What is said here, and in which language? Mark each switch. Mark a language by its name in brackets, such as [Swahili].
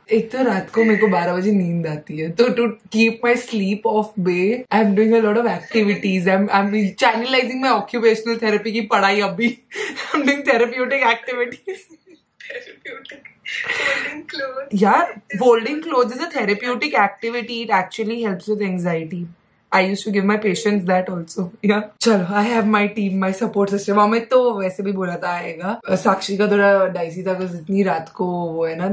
[Hindi] एक तो रात को मेरे को 12 बजे नींद आती है. तो [English] to keep my sleep off bay, I'm doing a lot of activities. I'm channelizing my occupational therapy [Hindi] की पढ़ाई अभी. [English] I'm doing therapeutic activities. Folding clothes. Yeah, folding clothes is a therapeutic activity. It actually helps with anxiety. I used to give my patients that also. Yeah. Chalo, I have my team, my support system. [Hindi] Amit to वैसे भी बोला था आएगा. साक्षी का थोड़ा dicey था क्योंकि इतनी रात को वो है ना.